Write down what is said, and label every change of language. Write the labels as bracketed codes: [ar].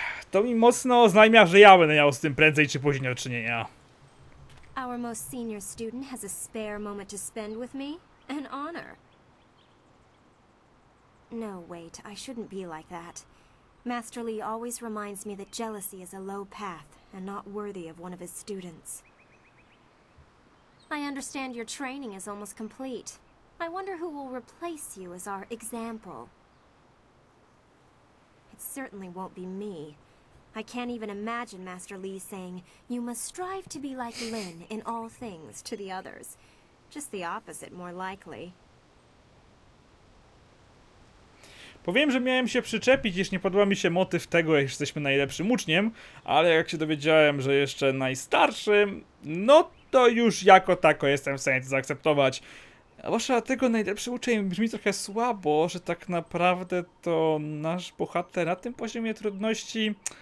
[pl] To mi mocno oznajmia, że ja będę miał z tym prędzej czy później do czynienia. [en] Our most senior student has a spare moment to spend with me. An honor. No, wait, I shouldn't be like that. Master Lee always reminds me that jealousy is a low path and not worthy of one of his students. I understand your training is almost complete. I wonder who will replace you as our example. It certainly won't be me. I can't even imagine Master Lee saying, "You must strive to be like Lin in all things," to the others. Just the opposite, more likely. [pl] Powiem, że miałem się przyczepić, iż nie podoba mi się motyw tego, że jesteśmy najlepszym uczniem, ale jak się dowiedziałem, że jeszcze najstarszym, no to już jako tako jestem w stanie to zaakceptować. A właśnie dlatego najlepszy uczeń brzmi trochę słabo, że tak naprawdę to nasz bohater na tym poziomie trudności...